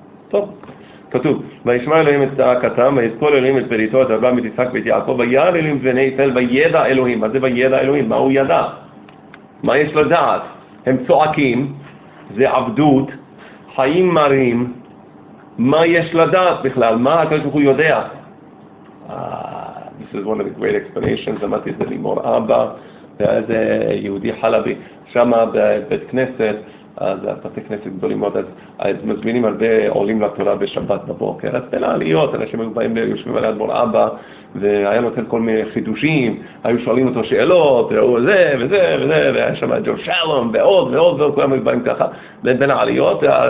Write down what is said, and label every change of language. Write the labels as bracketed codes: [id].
[he] טוב, כתוב, וישמע אלוהים את צעקתם, ויזכור אלוהים את בריתו, את אברהם, את יצחק ואת יעקב, וירא אלוהים בני ישראל, וידע אלוהים. מה זה וידע אלוהים? מה הוא ידע? מה יש לדעת? הם צועקים, זה עבדות, חיים מרים, מה יש לדעת בכלל? מה הקדוש ברוך הוא יודע? [en] This is one of the great explanations, [he] אמרתי את זה לימור אבא. ואז יהודי חלבי, שם בבית כנסת, אז בתי כנסת גדולים מאוד, אז מזמינים הרבה עולים לתורה בשבת בבוקר, אז בין העליות, אנשים היו באים ויושבים על יד מול אבא, והיה נותן כל מיני חידושים, היו שואלים אותו שאלות, ראו זה וזה וזה, והיה שם ג'ו שלום, ועוד ועוד ועוד, כולם היו באים ככה, בין העליות,